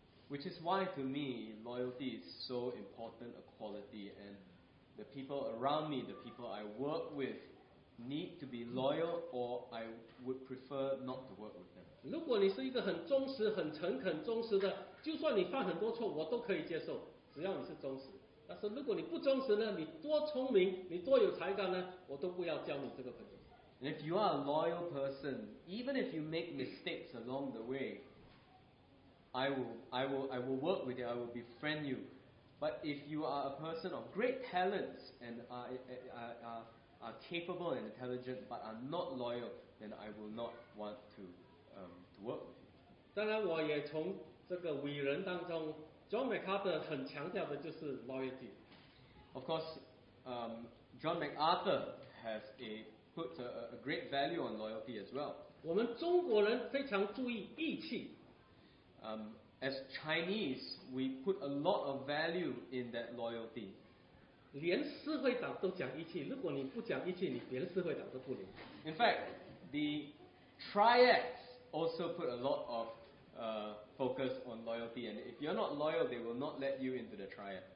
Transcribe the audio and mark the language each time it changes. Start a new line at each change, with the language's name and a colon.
English: Which is why to me loyalty is so important a quality, and the people around me, the people I work with, need to be loyal, or I would prefer not to work with them.
Chinese: 如果你是一个很忠实、很诚恳、忠实的，就算你犯很多错，我都可以接受，只要你是忠实。但是如果你不忠实呢？你多聪明，你多有才干呢？我都不要交你这个朋友。
English: And if you are a loyal person, even if you make mistakes along the way, I will work with you. I will befriend you. But if you are a person of great talents and are capable and intelligent but are not loyal, then I will not want to work with you.
Chinese: 当然我也从这个伟人当中， John MacArthur 很强调的就是 loyalty.
English: Of course, John MacArthur has put a great value on loyalty as well.
Chinese: 我们中国人非常注意义气。
English: As Chinese, we put a lot of value in that loyalty.
Chinese: 连四会长都讲义气，如果你不讲义气，你连四会长都不灵。
English: In fact, the triads also put a lot of focus on loyalty, and if you're not loyal, they will not let you into the triad.